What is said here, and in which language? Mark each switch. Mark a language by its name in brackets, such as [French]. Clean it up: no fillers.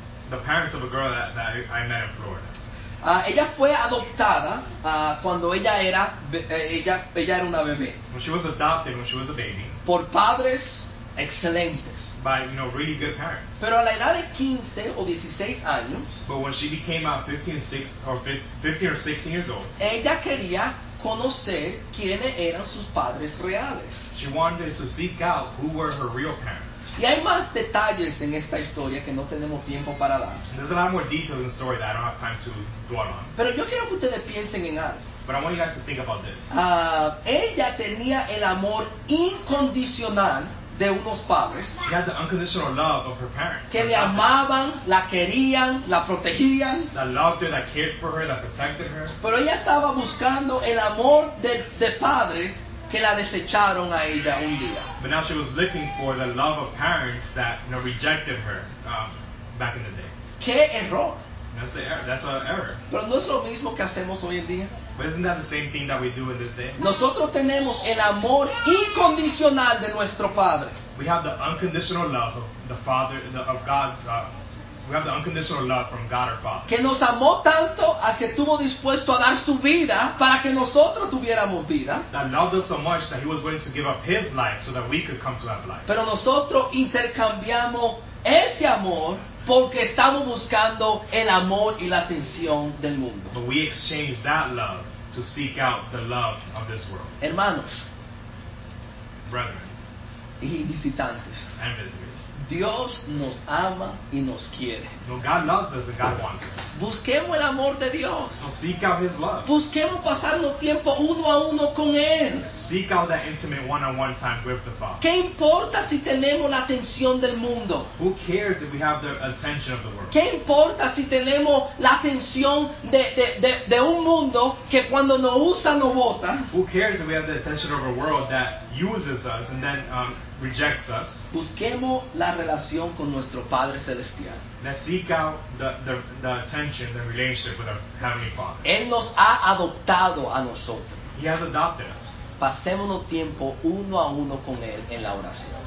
[English] The parents of a girl that I met in Florida. [Spanish] Ella fue adoptada cuando ella era una bebé. [English] When she was adopted, when she was a baby. [Spanish] Por padres excelentes. [English] By, you know, really good parents. [Spanish] Pero a la edad de 15 o 16 años. [English] But when she became 15 or 16 years old. [Spanish] Ella quería conocer quiénes eran sus padres reales. [English] She wanted to seek out who were her real parents. [Spanish] Y hay más detalles en esta historia que no tenemos tiempo para dar. [English] There's a lot more details in the story that I don't have time to dwell on. [Spanish] Pero yo quiero que ustedes piensen en algo. [English] But I want you guys to think about this. [Spanish] Ella tenía el amor incondicional de unos padres. [English] She had the unconditional love of her parents. [Spanish] Que le amaban, la querían, la protegían. [English] That loved her, that cared for her, that protected her. [Spanish] Pero ella estaba buscando el amor de padres que la desecharon a ella un día. [English] But now she was looking for the love of parents that, you know, rejected her back in the day. [Spanish] ¿Qué error? [English] That's an error. [Spanish] Pero no es lo mismo que hacemos hoy en día. [English] But isn't that the same thing that we do in this day? [Spanish] Nosotros tenemos el amor incondicional de nuestro padre. [English] We have the unconditional love of the Father, of God's. We have the unconditional love from God our Father. [Spanish] Que nos amó tanto a que estuvo dispuesto a dar su vida para que nosotros tuviéramos vida. [English] That loved us so much that he was willing to give up his life so that we could come to have life. [Spanish] Pero nosotros intercambiamos ese amor porque estamos buscando el amor y la atención del mundo. [English] But we exchange that love to seek out the love of this world. [Spanish] Hermanos. [English] Brethren. [Spanish] Y visitantes. [English] And visitors. [Spanish] Dios nos ama y nos quiere. [English] No, God loves us and God wants us. [Spanish] Busquemos el amor de Dios. [English] So seek out his love. [Spanish] Busquemos pasar los tiempos uno a uno con él. [English] Seek out that intimate one-on-one time with the Father. [Spanish] ¿Qué importa si tenemos la atención del mundo? [English] Who cares if we have the attention of the world? [Spanish] ¿Qué importa si tenemos la atención de un mundo que cuando nos usa nos bota? [English] Who cares if we have the attention of a world that uses us and then rejects us? [Spanish] Busquemos la relación con nuestro Padre Celestial. [English] Let's seek out the attention, the relationship with our Heavenly Father. [Spanish] Él nos ha adoptado a nosotros. [English] He has adopted us. [Spanish] Pasémonos tiempo uno a uno con él en la oración.